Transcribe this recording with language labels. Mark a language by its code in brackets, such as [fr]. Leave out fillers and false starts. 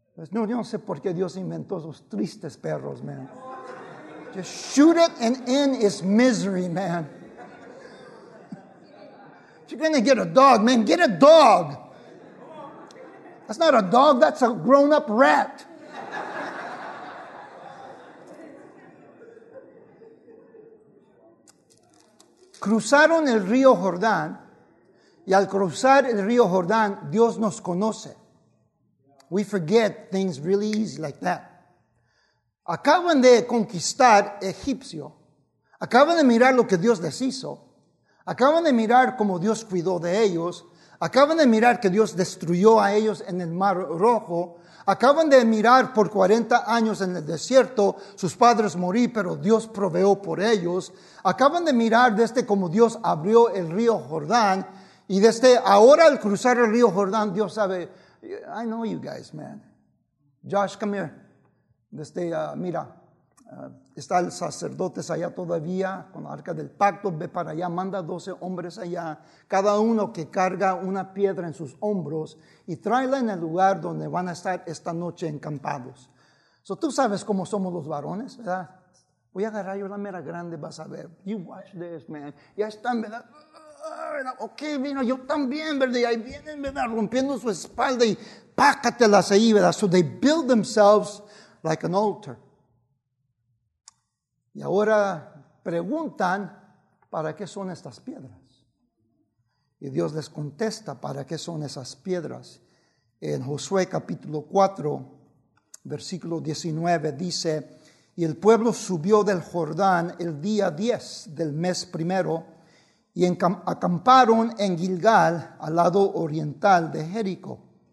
[es] No, yo no sé por qué Dios inventó esos tristes perros, man. [en] Just shoot it and end its misery, man. If you're going to get a dog, man, get a dog. That's not a dog, that's a grown-up rat. [es] Cruzaron el río Jordán, y al cruzar el río Jordán, Dios nos conoce. [en] We forget things really easy like that. [es] Acaban de conquistar Egipcio. Acaban de mirar lo que Dios les hizo. Acaban de mirar cómo Dios cuidó de ellos. Acaban de mirar que Dios destruyó a ellos en el Mar Rojo. Acaban de mirar por 40 años en el desierto, sus padres morir, pero Dios proveó por ellos. Acaban de mirar desde cómo Dios abrió el río Jordán. Y desde ahora al cruzar el río Jordán, Dios sabe, [en] I know you guys, man. Josh, come here. [es] Desde, mira, está el sacerdote allá todavía con la arca del pacto. Ve para allá, manda 12 hombres allá. Cada uno que carga una piedra en sus hombros y tráela en el lugar donde van a estar esta noche encampados. So, tú sabes cómo somos los varones, ¿verdad? Voy a agarrar yo la mera grande, vas a ver. [en] You watch this, man. [es] Ya están, ¿verdad? Ok, mira, yo también, ¿verdad? Y ahí vienen, ¿verdad? Rompiendo su espalda y pácatelas ahí, ¿verdad? [en] So they build themselves like an altar. [es] Y ahora preguntan, ¿para qué son estas piedras? Y Dios les contesta para qué son esas piedras. En Josué capítulo 4, versículo 19 dice: Y el pueblo subió del Jordán el día 10 del mes primero y acamparon en Gilgal al lado oriental de Jericó.